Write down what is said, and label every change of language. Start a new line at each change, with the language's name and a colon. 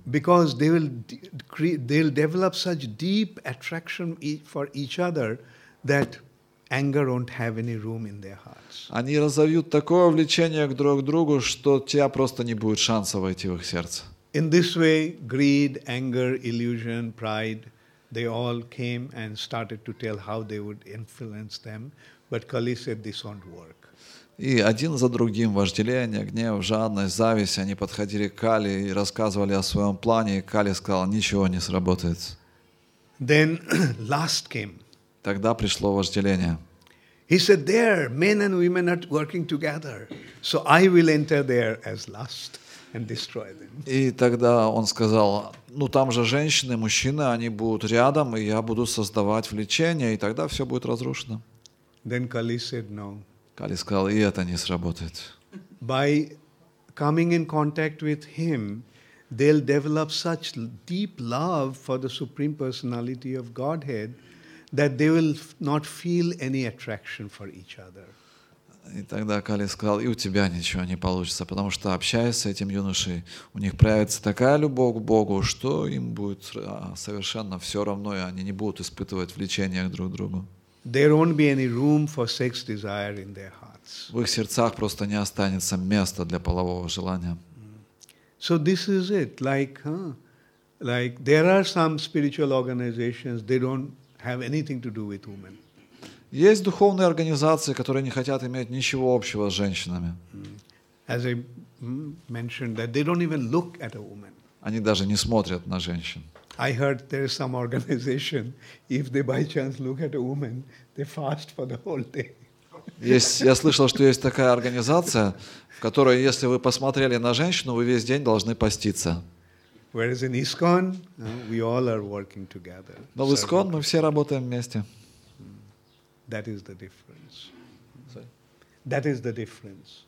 English: Because they will develop such deep attraction for each other that anger won't have any room in their hearts.
Russian: Они разовьют такое влечение друг к другу, что у тебя просто не будет шанса войти в их сердце.
English: In this way, greed, anger, illusion, pride, they all came and started to tell how they would influence them. But Kali said this won't work.
Russian: И один за другим вожделение, гнев, жадность, зависть, они подходили к Кали и рассказывали о своем плане, и Кали сказал, ничего не сработает.
English: Then last came.
Russian: Тогда пришло вожделение.
English: He said, there, men and women are working together, so I will enter there as last and destroy them.
Russian: И тогда он сказал, ну там же женщины, мужчины, они будут рядом, и я буду создавать влечение, и тогда все будет разрушено.
English: Then Kali said, no.
Russian: Кали сказал, и это не сработает.
English: By coming in contact with him, they'll develop such deep love for the Supreme Personality of Godhead that they will not feel any attraction for each other.
Russian: И тогда Кали сказал, и у тебя ничего не получится, потому что общаясь с этим юношей, у них проявится такая любовь к Богу, что им будет совершенно все равно, и они не будут испытывать влечения друг к другу.
English: There won't be any room for sex desire in their hearts.
Russian: В их сердцах просто не останется места для полового желания.
English: So this is it. Like there are some spiritual organizations, they don't have anything to do with women.
Russian: Есть духовные организации, которые не хотят иметь ничего общего с женщинами.
English: As I mentioned, that they don't even look at a woman.
Russian: Они даже не смотрят на женщин.
English: I heard there is some organization, if they by chance look at a woman, they fast for the whole day.
Russian: Есть, я слышал, что есть такая организация, в которой, если вы посмотрели на женщину, вы весь день должны поститься.
English: Whereas in ISKCON, we all are working together.
Russian: Но в ISKCON мы все работаем вместе.
English: That is the difference. That is the difference.